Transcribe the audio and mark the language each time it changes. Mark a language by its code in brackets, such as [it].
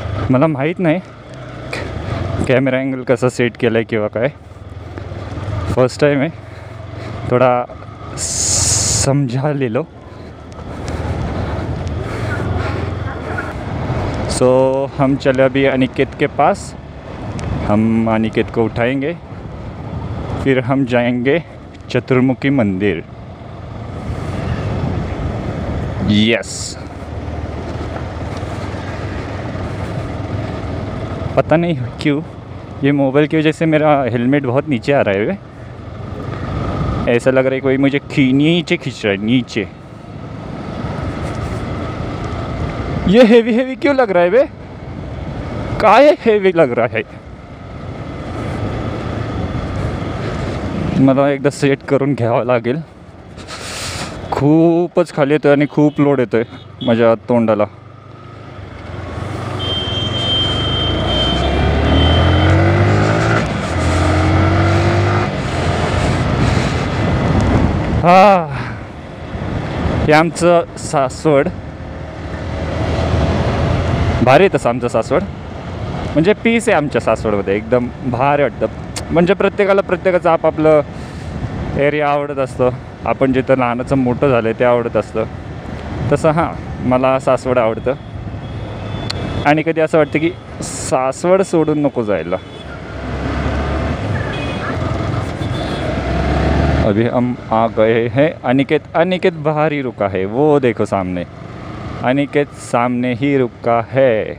[mr] मला माहीत नाही कॅमेरा अँगल कसा सेट केला आहे किंवा काय, फर्स्ट टाईम आहे, थोडा समजा लिहिलो। [hi] सो हम चले अभी अनिकेत के पास, हम अनिकेत को उठाएंगे, फिर हम जाएंगे चतुर्मुखी मंदिर। यस, पता नहीं क्यों ये मोबाइल की वजह से मेरा हेलमेट बहुत नीचे आ रहा है। वे ऐसा लग रहा है कोई मुझे नीचे खींच रहा है, नीचे। ये हेवी हेवी क्यों लग रहा है वे, काहे हेवी लग रहा है? [mr] मतलब एकदा सेट करून घ्यावं लागेल, खूपच खाली येतोय आणि खूप लोड येतोय माझ्या तोंडाला। हां, हे आमचं सासवड, भारी येतं आमचं सासवड, म्हणजे पीस आहे आमच्या सासवडमध्ये, एकदम भारी वाटतं। म्हणजे प्रत्येकाला प्रत्येकाचं आपापलं एरिया आवडत असतं, आपण जिथं लहानाचं मोठं झालं आहे ते आवडत असतं। तसं हां, मला सासवड आवडतं आणि कधी असं वाटतं की सासवड सोडून नको जायला। [hi] अभी हम आ गए हैं अनिकेत, अनिकेत बाहर ही रुका है, वो देखो सामने, अनिकेत सामने ही रुका है।